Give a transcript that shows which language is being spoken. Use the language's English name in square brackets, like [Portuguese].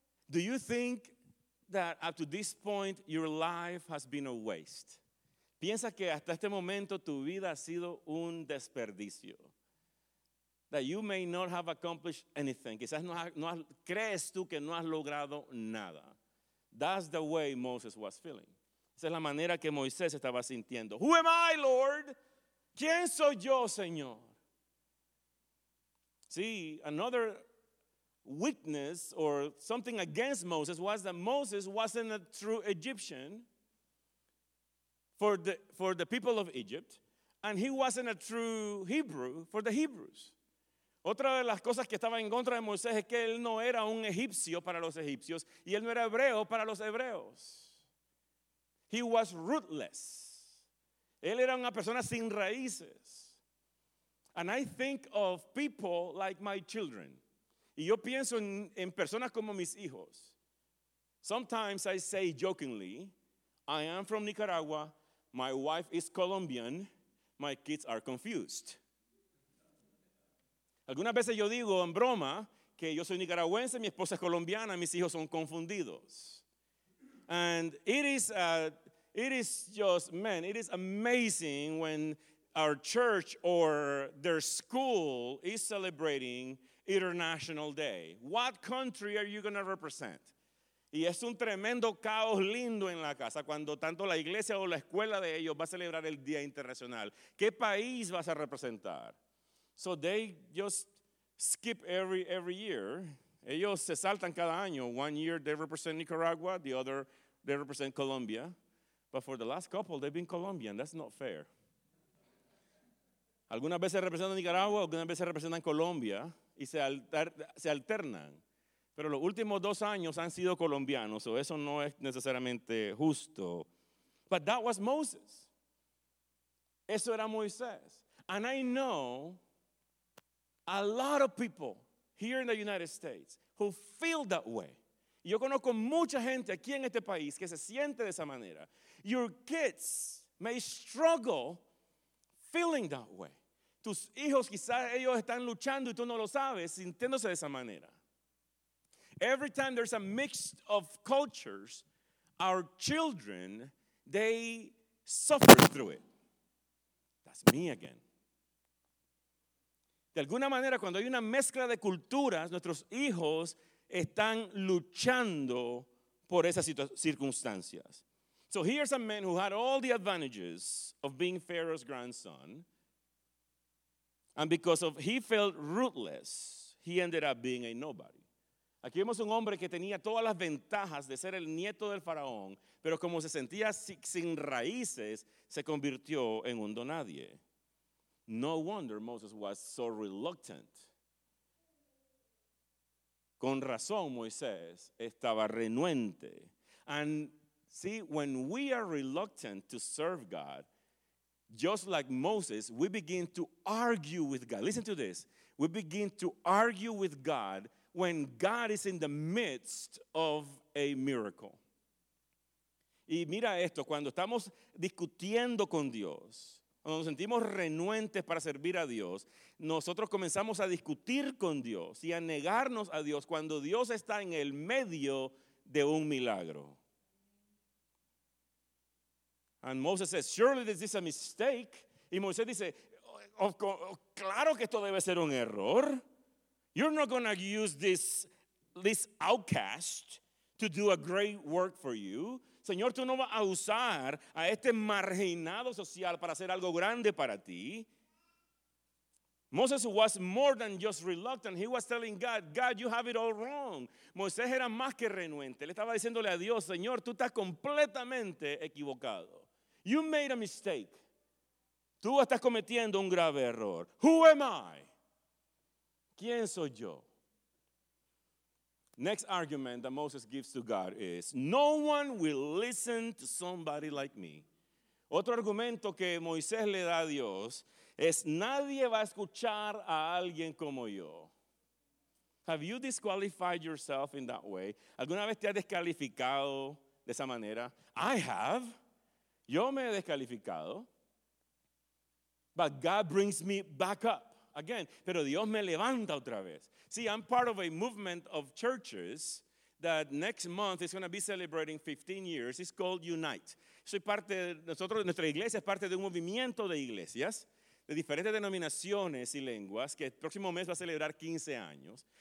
[English] Do you think that up to this point your life has been a waste? [Spanish] ¿Piensa que hasta este momento tu vida ha sido un desperdicio? [English] That you may not have accomplished anything. [Spanish] Quizás no crees tú que no has logrado nada. [English] That's the way Moses was feeling. [Spanish] Esa es la manera que Moisés estaba sintiendo. [English] Who am I, Lord? [Spanish] ¿Quién soy yo, Señor? [English] See, another weakness or something against Moses was that Moses wasn't a true Egyptian for the people of Egypt, and he wasn't a true Hebrew for the Hebrews. [Spanish] Otra de las cosas que estaba en contra de Moisés es que él no era un egipcio para los egipcios y él no era hebreo para los hebreos. [English] He was rootless. [Spanish] Él era una persona sin raíces. [English] And I think of people like my children. [Spanish] Y yo pienso en personas como mis hijos. [English] Sometimes I say jokingly, I am from Nicaragua, my wife is Colombian, my kids are confused. [Spanish] Algunas veces yo digo en broma que yo soy nicaragüense, mi esposa es colombiana, mis hijos son confundidos. [English] And it is amazing when our church or their school is celebrating International Day. What country are you going to represent? [Spanish] Y es un tremendo caos lindo en la casa cuando tanto la iglesia o la escuela de ellos va a celebrar el Día Internacional. ¿Qué país vas a representar? [English] So they just skip every year. [Spanish] Ellos se saltan cada año. [English] One year they represent Nicaragua, the other they represent Colombia. But for the last couple, they've been Colombian. That's not fair. [Spanish] Algunas veces representan Nicaragua, algunas veces representan Colombia. Y se alternan. Pero los últimos dos años han sido colombianos. So eso no es necesariamente justo. [English] But that was Moses. [Spanish] Eso era Moisés. [English] And I know a lot of people here in the United States who feel that way. [Spanish] Yo conozco mucha gente aquí en este país que se siente de esa manera. [English] Your kids may struggle feeling that way. [Spanish] Tus hijos quizás ellos están luchando y tú no lo sabes, sintiéndose de esa manera. [English] Every time there's a mix of cultures, our children, they suffer through it. That's me again. [Spanish] De alguna manera, cuando hay una mezcla de culturas, nuestros hijos están luchando por esas circunstancias. [English] So here's a man who had all the advantages of being Pharaoh's grandson. And because of he felt rootless, he ended up being a nobody. [Spanish] Aquí vemos un hombre que tenía todas las ventajas de ser el nieto del faraón, pero como se sentía sin raíces, se convirtió en un donadie. [English] No wonder Moses was so reluctant. [Spanish] Con razón, Moisés estaba renuente. [English] And see, when we are reluctant to serve God, just like Moses, we begin to argue with God. Listen to this. We begin to argue with God when God is in the midst of a miracle. [Spanish] Y mira esto, cuando estamos discutiendo con Dios, cuando nos sentimos renuentes para servir a Dios, nosotros comenzamos a discutir con Dios y a negarnos a Dios cuando Dios está en el medio de un milagro. [English] And Moses says, surely this is a mistake. [Spanish] Y Moisés dice, claro que esto debe ser un error. [English] You're not going to use this outcast to do a great work for you. [Spanish] Señor, tú no vas a usar a este marginado social para hacer algo grande para ti. [English] Moses was more than just reluctant. He was telling God, God, you have it all wrong. [Spanish] Moisés era más que renuente. Le estaba diciéndole a Dios, Señor, tú estás completamente equivocado. [English] You made a mistake. [Spanish] Tú estás cometiendo un grave error. [English] Who am I? [Spanish] ¿Quién soy yo? [English] Next argument that Moses gives to God is, no one will listen to somebody like me. [Spanish] Otro argumento que Moisés le da a Dios es, nadie va a escuchar a alguien como yo. [English] Have you disqualified yourself in that way? [Spanish] ¿Alguna vez te has descalificado de esa manera? [English] I have. [Spanish] Yo me he descalificado. [English] But God brings me back up. [Spanish] Again, pero Dios me levanta otra vez. [English] See, I'm part of a movement of churches that next month is going to be celebrating 15 years. It's called Unite. [Spanish] Soy parte de nosotros, nuestra iglesia es parte de un movimiento de iglesias de diferentes denominaciones y lenguas que el próximo mes va a celebrar 15 años.